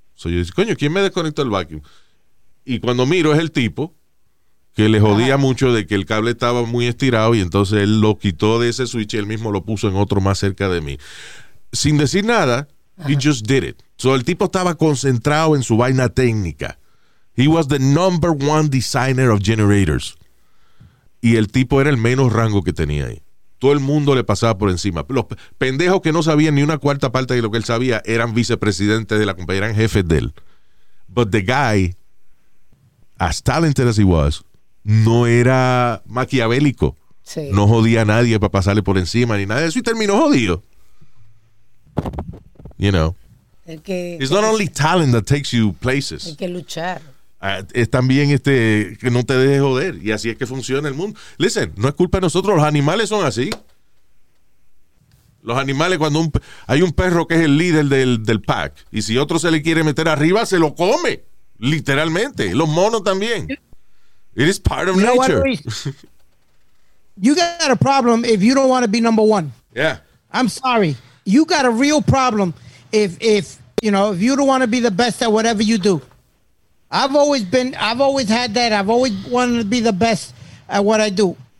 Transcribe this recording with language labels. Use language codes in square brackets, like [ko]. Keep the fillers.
[es] soy yo decía, coño, ¿quién me desconectó el vacuum? Y cuando miro es el tipo que le jodía Ajá. mucho de que el cable estaba muy estirado y entonces él lo quitó de ese switch y él mismo lo puso en otro más cerca de mí. Sin decir nada, Ajá. [en] he just did it. [es] So el tipo estaba concentrado en su vaina técnica. [en] He was the number one designer of generators. [es] Y el tipo era el menos rango que tenía ahí todo el mundo le pasaba por encima. Los pendejos que no sabían ni una cuarta parte de lo que él sabía eran vicepresidentes de la compañía, eran jefes de él. [en] But the guy, as talented as he was, [es] no era maquiavélico. Sí. No jodía a nadie para pasarle por encima ni nada de eso y terminó jodido. [en] You know. [es] El que, [en] It's not [es] el only el, [en] talent that takes you places. [es] Hay que luchar. Uh, es también este que no te dejes joder y así es que funciona el mundo. Listen, no es culpa de nosotros, los animales son así. Los animales, cuando un, hay un perro que es el líder del, del pack y si otro se le quiere meter arriba, se lo come, literalmente. Los monos también. [en] It is part of you nature. I mean? you got a problem if you don't want to be number one. Yeah. I'm sorry. You got a real problem if, if you know, if you don't want to be the best at whatever you do. I've always been, I've always had that. I've always wanted to be the best at what I do.